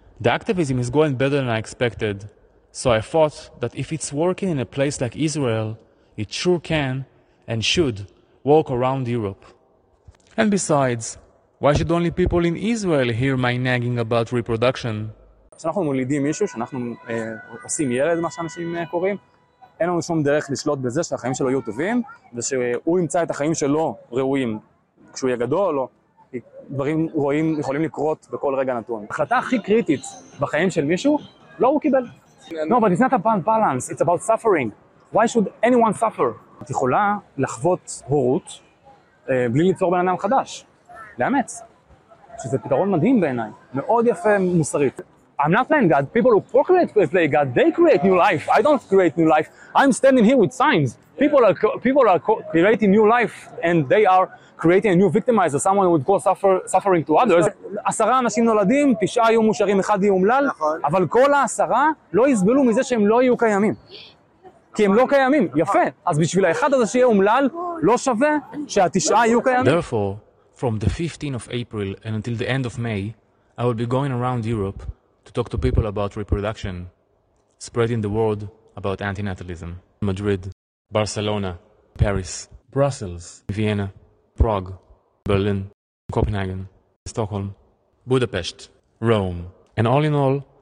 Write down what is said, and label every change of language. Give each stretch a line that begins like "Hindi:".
English: The activism is going better than I expected, so I thought that if it's working in a place like Israel, it sure can and should work around Europe. And besides, why should only people in Israel hear my nagging about reproduction?
Hebrew: כשאנחנו מולידים מישהו, כשאנחנו עושים ילד, מה שאנשים קוראים, אין לנו שום דרך לשלוט בזה שהחיים שלו יהיו טובים, ושהוא ימצא את החיים שלו ראויים כשהוא יהיה גדול, או דברים רואים יכולים לקרות בכל רגע נתון. החלטה הכי קריטית בחיים של מישהו, לא הוא קיבל.
English: No, but it's not about balance, it's about suffering. Why should anyone suffer?
Hebrew: את יכולה לחוות הורות בלי ליצור בן אדם חדש, לאמץ, שזה פתרון מדהים בעיניי, מאוד יפה מוסרית.
English: I'm not playing God. People who procreate play God, they create new life. I don't create new life. I'm standing here with signs. People are creating new life, and they are creating a new victimizer, someone who would call suffering to others.
Hebrew: 10 אנשים נולדים, 9 היו מושרים, 1 היו אומלל, אבל כל העשרה לא יסבלו מזה שהם לא יהיו קיימים. כי הם לא קיימים. יפה. אז בשביל האחד הזה שיהיה אומלל, לא שווה שהתשעה יהיו קיימים.
English: Therefore, from the 15th of April and until the end of May, I will be going around Europe to talk to people about reproduction, spreading the word about antinatalism. Madrid, Barcelona, Paris, Brussels, Vienna, Prague, Berlin, Copenhagen, Stockholm, Budapest, Rome. And all in all,